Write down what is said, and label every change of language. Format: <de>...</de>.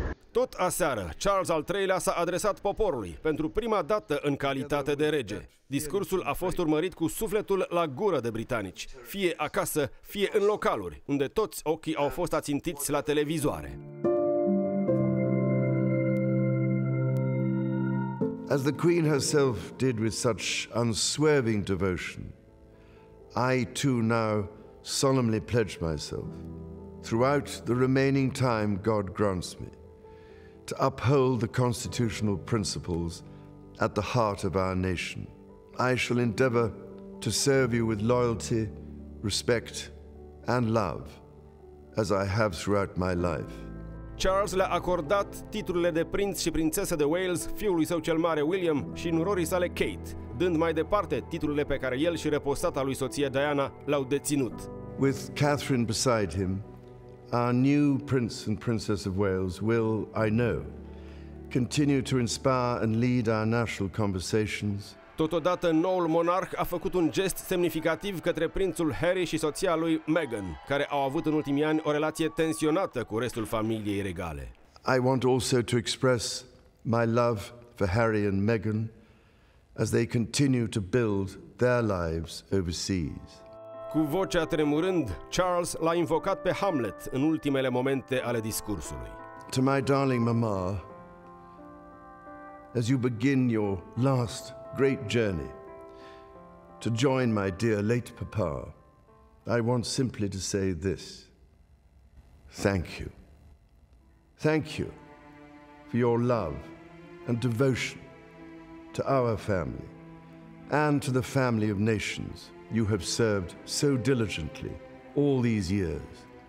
<ro>Tot aseară, Charles al III-lea s-a adresat poporului pentru prima dată în calitate de rege. Discursul a fost urmărit cu sufletul la gură de britanici, fie acasă, fie în localuri, unde toți ochii au fost ațintiți la televizoare.</ro> <en>As the Queen herself did with such unswerving devotion, I too now solemnly pledge myself, throughout the remaining time God grants me, to uphold the constitutional principles at the heart of our nation. I shall endeavor to serve you with loyalty, respect, and love, as I have throughout my life.</en> <ro>Charles le-a acordat titlurile de prinț și prințesă de Wales fiului său cel mare William și nurorii sale Kate, dând mai departe titlurile pe care el și reposata lui soție Diana l-au deținut.</ro> <en>With Catherine beside him, our new prince and princess of Wales will, I know, continue to inspire and lead our national conversations.</en> <ro>Totodată, noul monarh a făcut un gest semnificativ către prințul Harry și soția lui Meghan, care au avut în ultimii ani o relație tensionată cu restul familiei regale.</ro> <en>I want also to express my love for Harry and Meghan as they continue to build their lives overseas.</en> <ro>Cu vocea tremurând, Charles l-a invocat pe Hamlet în ultimele momente ale discursului.</ro> <en>To my darling mama, as you begin your last great journey to join my dear late papa, I want simply to say this. Thank you. Thank you for your love and devotion to our family and to the family of nations you have served so diligently all these years.</en>